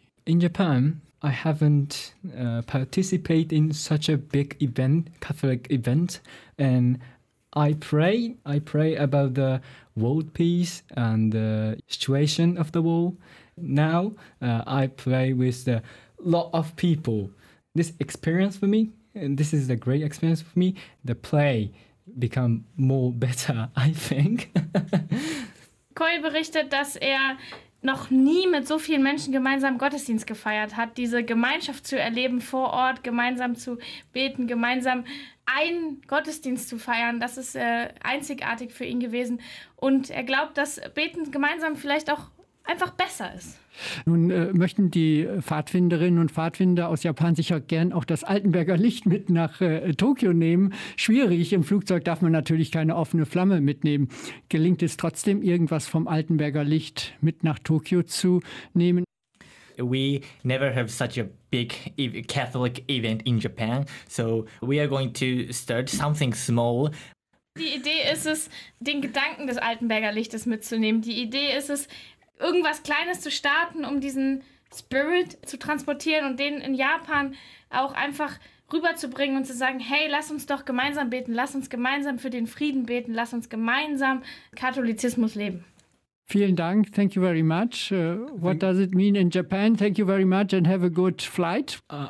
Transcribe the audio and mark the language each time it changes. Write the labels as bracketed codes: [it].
[en] In Japan, I haven't participated in such a big event, Catholic event, and I pray about the world peace and the situation of the world. Now, I pray with a lot of people. This experience for me, and this is a great experience for me, the play become more better, I think. [de] Koi berichtet, dass er noch nie mit so vielen Menschen gemeinsam Gottesdienst gefeiert hat. Diese Gemeinschaft zu erleben vor Ort, gemeinsam zu beten, gemeinsam einen Gottesdienst zu feiern, das ist einzigartig für ihn gewesen. Und er glaubt, dass Beten gemeinsam vielleicht auch einfach besser ist. Nun möchten die Pfadfinderinnen und Pfadfinder aus Japan sicher gern auch das Altenberger Licht mit nach Tokio nehmen. Schwierig, im Flugzeug darf man natürlich keine offene Flamme mitnehmen. Gelingt es trotzdem, irgendwas vom Altenberger Licht mit nach Tokio zu nehmen? [en] We never have such a big Catholic event in Japan, so we are going to start something small. [de] Die Idee ist es, den Gedanken des Altenberger Lichtes mitzunehmen. Die Idee ist es, irgendwas Kleines zu starten, um diesen Spirit zu transportieren und den in Japan auch einfach rüberzubringen und zu sagen, hey, lass uns doch gemeinsam beten, lass uns gemeinsam für den Frieden beten, lass uns gemeinsam Katholizismus leben. Vielen Dank, [en] thank you very much. What does it mean in Japan? Thank you very much and have a good flight.